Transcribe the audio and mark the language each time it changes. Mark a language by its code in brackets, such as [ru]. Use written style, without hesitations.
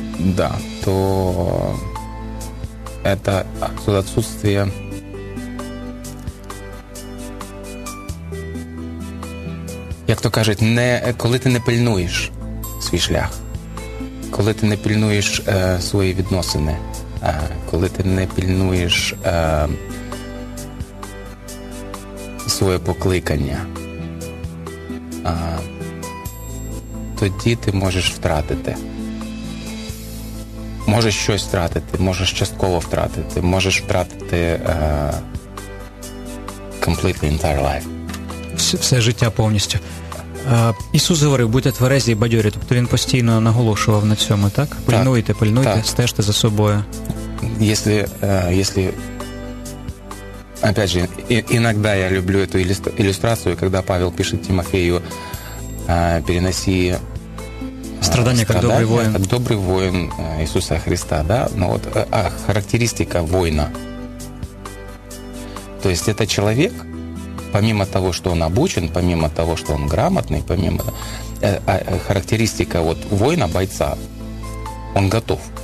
[uk] Да, то это відсутствие як то кажуть, не, коли ти не пильнуєш свій шлях, коли ти не пильнуєш свої відносини, коли ти не пильнуєш своє покликання, тоді ти можеш втратити. Можеш щось втратити, можеш частково втратити, можеш втратити [en] completely entire life. [uk] Все життя повністю. Ісус говорив, будьте тверезі і бадьорі. Тобто Він постійно наголошував на цьому, так? Пильнуйте, так, пильнуйте, так. Стежте за собою. Якщо, [ru] опять же, [uk] іноді я люблю цю ілюстрацію, коли Павел пише Тимофею, переноси страдання, як добрий воїн. Як добрий воїн Ісуса Христа, да? Ну, от, характеристика воїна. Тобто, це чоловік, [ru] помимо того, что он обучен, помимо того, что он грамотный, помимо характеристика вот воина, бойца, он готов.